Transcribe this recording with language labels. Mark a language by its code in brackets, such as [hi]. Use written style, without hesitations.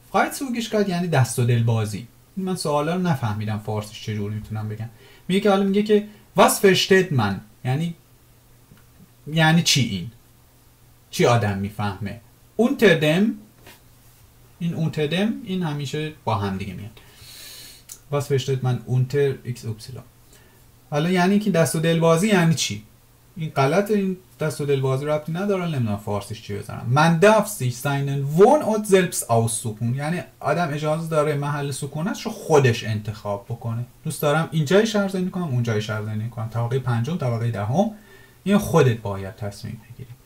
[fa] Freizügigkeit یعنی دست و دل بازی. من سوالا رو نفهمیدم فارسیش چجوری میتونم بگم. میگه که حالا میگه که [de] was versteht man، [fa] یعنی چی این؟ چی آدم میفهمه؟ [de] unter dem، [fa] این unter dem این همیشه با هم دیگه میاد. [de] was versteht man unter x y. [fa] حالا یعنی که دست و دل بازی یعنی چی؟ این غلطه، این دست و دل بازی ربطی نداره، نمیدونم فارسیش چی بزنم. من [de] darf sich seinen Wohnort selbst aussuchen، [fa] یعنی آدم اجازه داره محل سکونتش رو خودش انتخاب بکنه. دوست دارم اینجای شهر زندگی کنم، اونجای شهر زندگی کنم، طبقه 5، طبقه 10، این خودت باید تصمیم بگیری.